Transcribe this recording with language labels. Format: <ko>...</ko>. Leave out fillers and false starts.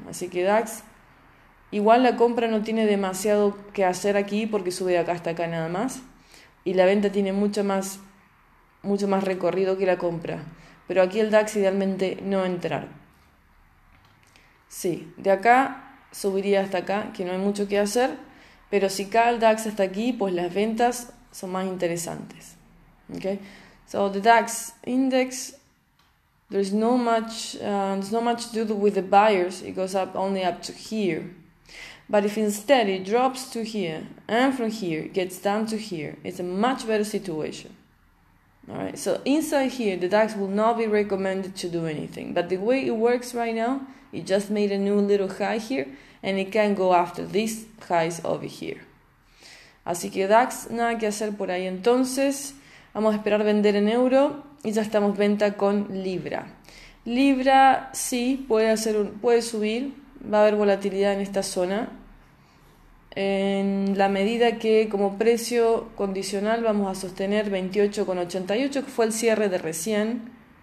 <es>Así que DAX, igual la compra no tiene demasiado que hacer aquí porque sube de acá hasta acá nada más, y la venta tiene mucho más recorrido que la compra. Pero aquí el DAX idealmente no entrar. Sí, de acá subiría hasta acá, que no hay mucho que hacer, pero si cae el DAX hasta aquí, pues las ventas son más interesantes.</es> <en>Okay. So the DAX index, there's not much to do with the buyers. It goes up only up to here. But if instead it drops to here and from here gets down to here, it's a much better situation. All right. So inside here, the DAX will not be recommended to do anything. But the way it works right now, it just made a new little high here, and it can go after these highs over here.</en> <es>Así que DAX, nada que hacer por ahí entonces. Vamos a esperar vender en euro y ya estamos venta con libra. Libra sí puede hacer puede subir, va a haber volatilidad en esta zona. En la medida que como precio condicional vamos a sostener 28,88, que fue el cierre de recién.</es>